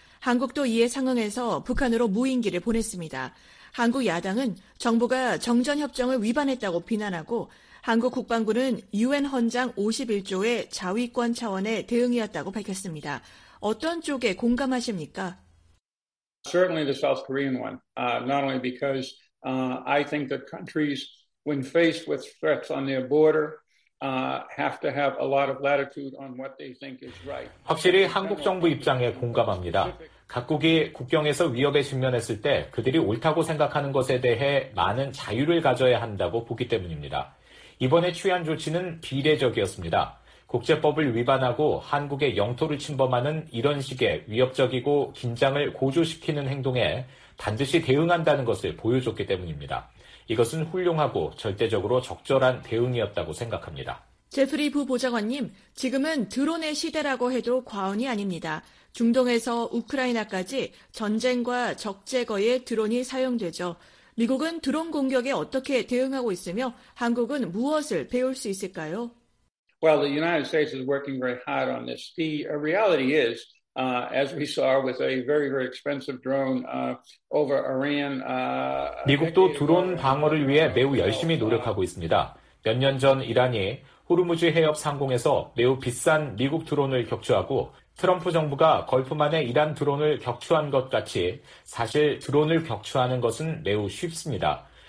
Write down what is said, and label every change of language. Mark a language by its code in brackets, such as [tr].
[ko] 한국도 이에 상응해서 북한으로 무인기를 보냈습니다. 한국 야당은 정부가 정전협정을 위반했다고 비난하고 한국 국방부는 유엔 헌장 51조의 자위권 차원의 대응이었다고 밝혔습니다. 어떤 쪽에 공감하십니까? [en] Certainly the South Korean one, not only because I think that countries, when faced with threats on their border, have to have a lot of latitude on what they think is right. [ko] 확실히 한국 정부 입장에 공감합니다. 각국이 국경에서 위협에 직면했을 때 그들이 옳다고 생각하는 것에 대해 많은 자유를 가져야 한다고 보기 때문입니다. 이번에 취한 조치는 비례적이었습니다. 국제법을 위반하고 한국의 영토를 침범하는 이런 식의 위협적이고 긴장을 고조시키는 행동에 반드시 대응한다는 것을 보여줬기 때문입니다. 이것은 훌륭하고 절대적으로 적절한 대응이었다고 생각합니다. 제프리 부보좌관님, 지금은 드론의 시대라고 해도 과언이 아닙니다. 중동에서 우크라이나까지 전쟁과 적재거에 드론이 사용되죠. 미국은 드론 공격에 어떻게 대응하고 있으며 한국은 무엇을 배울 수 있을까요? [en] Well, the United States is working very hard on this. The reality is, as we saw with a very, very expensive drone over Iran. [ko] 미국도 드론 방어를 위해 매우 열심히 노력하고 있습니다. 몇 년 전 이란이 호르무즈 해협 상공에서 매우 비싼 미국 드론을 격추하고 트럼프 정부가 걸프만의 이란 드론을 격추한 것 같이 사실 드론을 격추하는 것은 매우 쉽습니다.